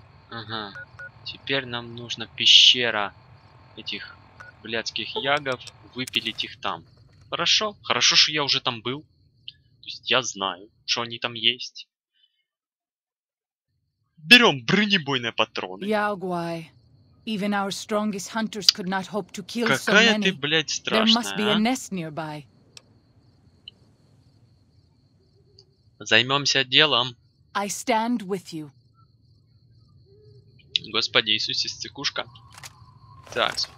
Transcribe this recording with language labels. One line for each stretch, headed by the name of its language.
Russian: Ага. Теперь нам нужна пещера этих блядских ягов, выпилить их там. Хорошо. Хорошо, что я уже там был. То есть я знаю, что они там есть. Берем бронебойные патроны. Ягуай.
English: Even our strongest hunters could not hope to kill
Russian: Какая
English: so many.
Russian: Какая ты, блядь, страшная,
English: There must be a nest nearby.
Russian: Займемся делом.
English: I stand with you.
Russian: Господи Иисусе, цикушка. Так.